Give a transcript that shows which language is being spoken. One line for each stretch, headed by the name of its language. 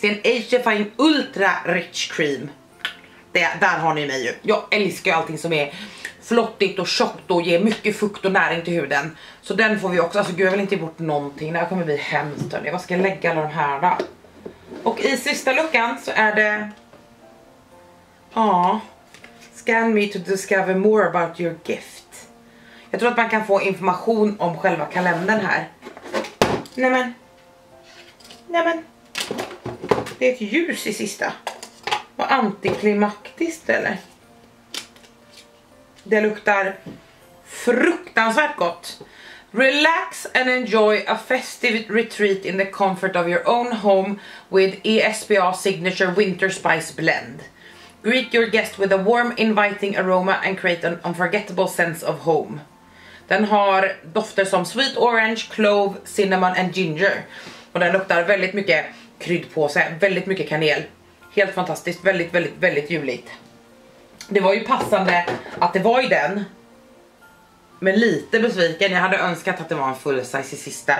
Swedish: Det är en Ageifying Ultra Rich Cream. Där har ni mig ju. Jag älskar allting som är flottigt och tjockt och ger mycket fukt och näring till huden. Så den får vi också. Alltså gud, jag vill inte ge bort någonting. Det här kommer bli hemskt hörni. Vad ska jag lägga alla de här då? Och i sista luckan så är det... Ja.
English: Scan me to discover more about your gift.
Swedish: Jag tror att man kan få information om själva kalendern här. Nämen. Det är ett ljus i sista. Och antiklimaktiskt eller? Det luktar fruktansvärt gott.
English: Relax and enjoy a festive retreat in the comfort of your own home with ESPA Signature Winter Spice Blend. Greet your guest with a warm inviting aroma and create an unforgettable sense of home.
Swedish: Den har dofter som
English: sweet orange, clove, cinnamon and ginger.
Swedish: Och den luktar väldigt mycket kryddpåse, väldigt mycket kanel. Helt fantastiskt, väldigt juligt. Det var ju passande att det var i den. Men lite besviken, jag hade önskat att det var en full size i sista.